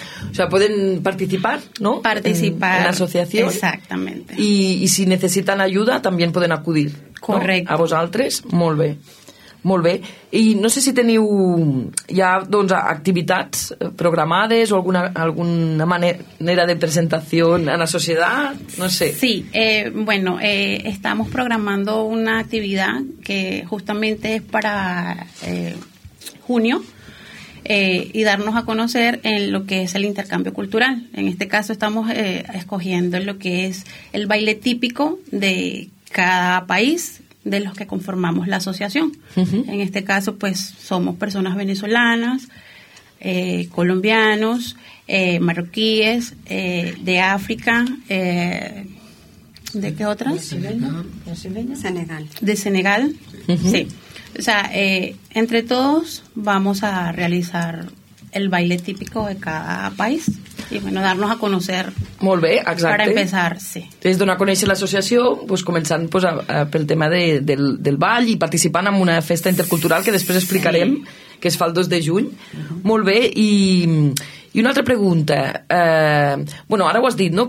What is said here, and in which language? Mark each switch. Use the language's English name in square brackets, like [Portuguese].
[Spanish] O sea, pueden participar, ¿no? Participar. En la asociación. Exactamente. Y si necesitan ayuda, también pueden acudir. Correcto. [Catalan] ¿No? A vosaltres, molt bé. Molt bé. I no sé si teniu ja, doncs, activitats programades o alguna manera de presentació en la societat, no sé. [Spanish] Sí, bueno, estamos programando una actividad que justamente es para junio y darnos a conocer en lo que es el intercambio cultural. En este caso estamos escogiendo lo que es el baile típico de cada país de los que conformamos la asociación. Uh-huh. En este caso, pues, somos personas venezolanas, colombianos, marroquíes, de África, ¿de qué otras? Brasileña. Senegal. De Senegal, uh-huh. Sí. O sea, entre todos vamos a realizar el baile típico de cada país. Y bueno, darnos a conocer. [Catalan] Molt bé, exacte. [Spanish] Para empezar, sí. [Catalan] Es donar a conèixer l'associació, pues, començant, pues, pel tema del ball i participant en una festa intercultural que després explicarem, sí, que es fa el 2 de juny. Uh-huh. Molt bé, i una altra pregunta. Bueno, ara ho has dit, no?